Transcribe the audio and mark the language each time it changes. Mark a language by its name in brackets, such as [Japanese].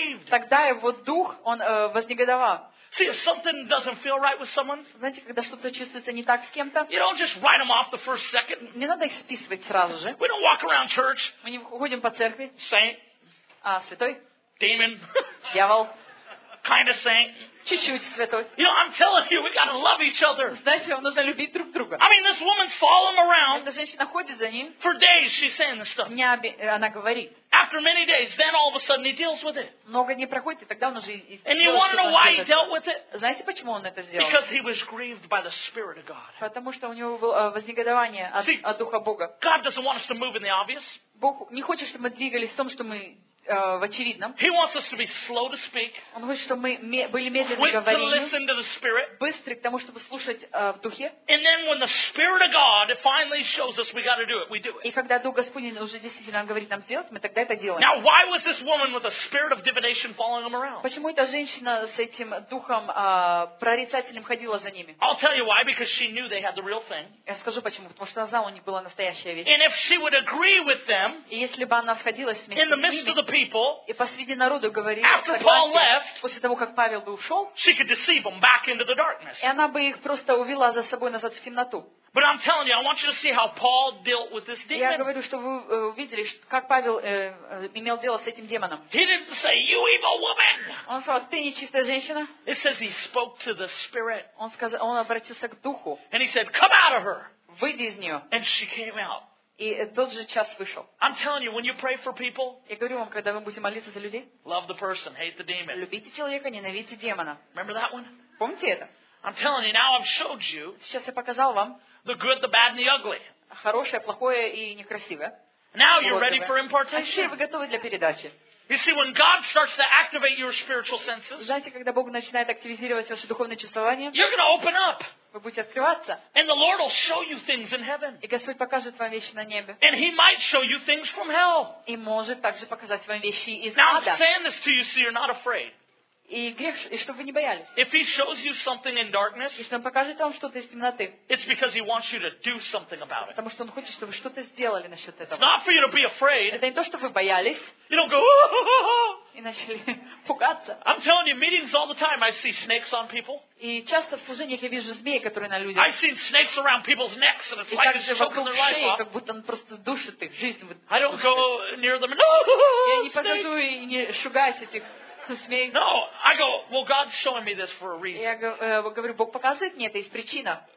[Russian] Тогда его дух, он вознегодовал. [English] See, if something doesn't feel right with someone, [Russian] знаете, когда что-то чувствуется не так с кем-то, [English] you don't just write them off the first second. [Russian] Не надо их списывать сразу же. [English] We don't walk around church. [Russian] Мы не ходим по церкви. [English] Saint. [Russian] А святой. [English] Demon. [Russian] Дьявол. [English] Kind of saint. [Russian] Чуть-чуть святой. [English] You know, I'm telling you, we gotta love each other. [Russian] Знаете, вам нужно любить друг друга. [English] I mean, this woman's following around. [Russian] Эта женщина ходит за ним. [English] For days, she's saying this stuff. [Russian] Днями она говорит. [English] After many days, then all of a sudden he deals with it. [Russian] Много дней проходит, и тогда он уже. [English] And you want to know why he dealt with it? [Russian] Знаете, почему он это сделал? [English] Because he was grieved by the Spirit of God. [Russian] Потому что у него было вознегодование от Духа Бога. [English] God doesn't want us to move in the obvious. [Russian] Бог не хочет, чтобы мы двигались в том, что мы в очевидном. [English] He wants us to be slow to speak. [Russian] Он хочет, чтобы мы были медленны в говорении. [English] Quick to listen to the Spirit. [Russian] Быстры к тому, чтобы слушать в духе. [English] And then when the Spirit of God finally shows us we got to do it, we do it. [Russian] И когда Дух Господень уже действительно говорит нам сделать, мы тогда это делаем. [English] Now why was this woman with a spirit of divination following him around? [Russian] Почему эта женщина с этим духом прорицательным ходила за ними? [English] I'll tell you why, because she knew they had the real thing. [Russian] Я скажу почему, потому что она знала, у них была настоящая вещь. [English] And if she would agree with them, [Russian] и если бы она сходилась вместе [English] in the midst [Russian] с ними, и посреди народу говорит, после того, как Павел бы ушел, [English] she could deceive them back into the darkness. [Russian] И она бы их просто увела за собой назад в темноту. [English] But I'm telling you, I want you to see how Paul dealt with this demon. [Russian] Я говорю, что вы увидели, как Павел имел дело с этим демоном. [English] He didn't say, "You evil woman." [Russian] Он сказал: "Ты нечистая женщина." [English] It says he spoke to the spirit. [Russian] Он обратился к духу. [English] And he said, "Come out of her." [Russian] Выйди из нее. [English] And she came out. [Russian] И тот же час вышел. [English] I'm telling you, when you pray for people, [Russian] я говорю вам, когда вы будете молиться за людей, [English] love the person, hate the demon. [Russian] Любите человека, ненавидите демона. [English] Remember that one? [Russian] Помните это? [English] I'm telling you, now I've showed you. [Russian] Сейчас я показал вам. [English] The good, the bad, and the ugly. [Russian] Хорошее, плохое и некрасивое. [English] Now you're ready for impartation. [Russian] А теперь вы готовы для передачи? [English] You see, when God starts to activate your spiritual senses, [Russian] знаете, когда Бог начинает активизировать ваше духовное чувствование, [English] you're going to open up. [Russian] Вы будете открываться. [English] And the Lord will show you things in heaven. [Russian] И Господь покажет вам вещи на небе. [English] And He might show you things from hell. [Russian] И может также показать вам вещи из [English] Now, [Russian] ада. [English] I'm saying this to you so you're not afraid. [Russian] И грех, и чтобы вы не боялись. [English] If He shows you something in darkness, [Russian] если Он покажет вам что-то из темноты, [English] it's because He wants you to do something about it. [Russian] Потому что Он хочет, чтобы вы что-то сделали насчет этого. [English] It's not for you to be afraid. [Russian] Это не то, чтобы вы боялись. [English] You don't go, oh-oh-oh-oh! [Russian] И начали пугаться. [English] I'm telling you, meetings all the time, I see snakes on people. [Russian] И часто в служениях я вижу змеи, которые на людях. [English] I've seen snakes around people's necks, and it's like it's choking their life off. [Russian] И как будто он просто душит их, жизнь. [English] I don't go near them, no-oh-oh-oh! [Russian] Я не подхожу и не шугаюсь этих. [English] No, I go, well, God's showing me this for a reason. [Russian] Я говорю, Бог показывает мне это, есть причина.